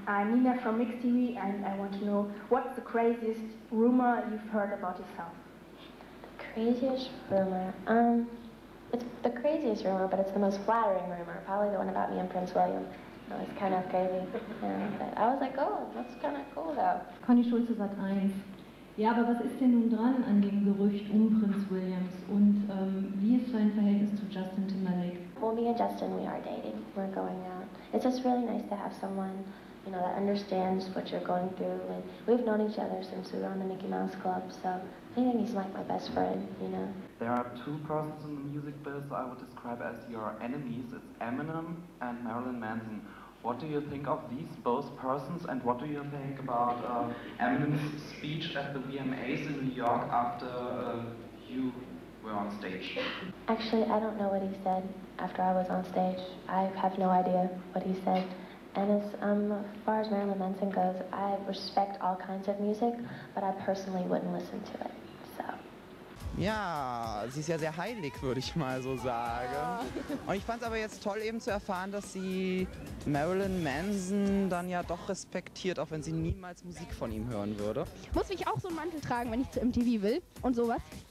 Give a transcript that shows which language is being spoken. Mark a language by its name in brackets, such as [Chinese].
[English] I'm Nina from Mix TV and I want to know what's the craziest rumor you've heard about yourself? The craziest rumor? It's the craziest rumor, but it's the most flattering rumor. Probably the one about me and Prince William. That was kind of crazy. Yeah, but I was like, oh, that's kind of cool though. [German] Conny Schulze, Sat.1. Ja, aber was ist denn nun dran an dem Gerücht um Prinz Williams und wie ist sein Verhältnis zu Justin Timberlake? [English] Well, me and Justin, we are dating. We're going out. It's just really nice to have someone you know, that understands what you're going through. And we've known each other since we were on the Mickey Mouse Club, so I think he's like my best friend, you know. There are two persons in the music biz I would describe as your enemies. It's Eminem and Marilyn Manson. What do you think of these both persons, and what do you think about Eminem's speech at the VMAs in New York after you were on stage? Actually, I don't know what he said after I was on stage. I have no idea what he said. And as far as Marilyn Manson goes, I respect all kinds of music, but I personally wouldn't listen to it. [German] Ja, sie ist ja sehr heilig, würde ich mal so sagen. Und ich fand es aber jetzt toll, eben zu erfahren, dass sie Marilyn Manson dann ja doch respektiert, auch wenn sie niemals Musik von ihm hören würde. Muss ich auch so einen Mantel tragen, wenn ich zu MTV will und sowas?